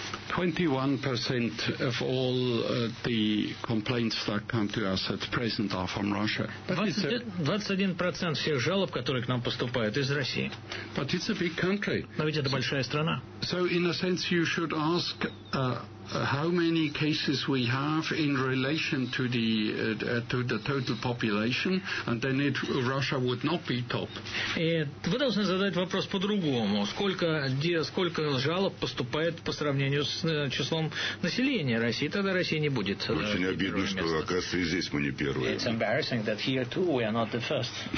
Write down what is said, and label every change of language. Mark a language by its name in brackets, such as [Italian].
[English] 21% of all the complaints that come to us at present are from Russia. [Russian] 21% всех жалоб, которые к нам поступают, из России. [English] But it's a big country. [Russian] Но ведь это большая страна. [English] So in a sense you should ask how many cases we have in relation to the total population, and then it, Russia would not be top. [Russian] И вы должны задать вопрос по-другому. Сколько жалоб поступает по сравнению с числом населения России? Тогда России не будет. Очень обидно, что, оказывается, и здесь мы не первые. [English] It's embarrassing that here too we are not the first.